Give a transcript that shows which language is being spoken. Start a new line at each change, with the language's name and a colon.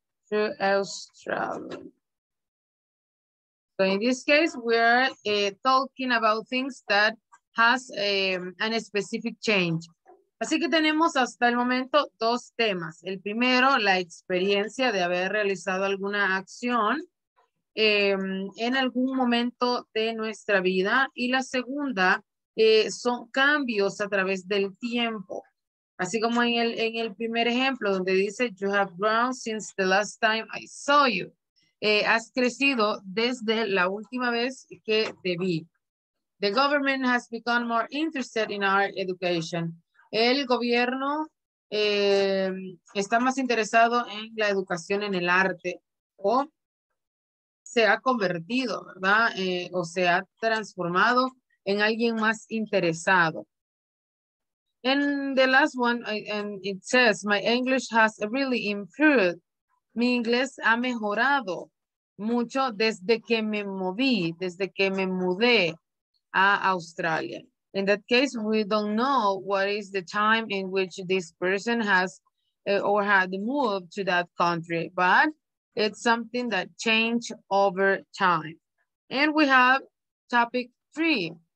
English: To Australia. So in this case, we're talking about things that has an specific change.
Spanish: Así que tenemos hasta el momento dos temas. El primero, la experiencia de haber realizado alguna acción en algún momento de nuestra vida. Y la segunda, son cambios a través del tiempo. Así como en el primer ejemplo, donde dice,
English: you have grown since the last time I saw you.
Spanish: Has crecido desde la última vez que te vi.
English: The government has become more interested in our education.
Spanish: El gobierno está más interesado en la educación en el arte. O se ha convertido, ¿verdad? O se ha transformado en alguien más interesado.
English: And the last one, and it says, my English has really improved.
Spanish: Mi inglés ha mejorado mucho desde que me moví, desde que me mudé a Australia.
English: In that case, we don't know what is the time in which this person has or had moved to that country, but it's something that changed over time. And we have topic three.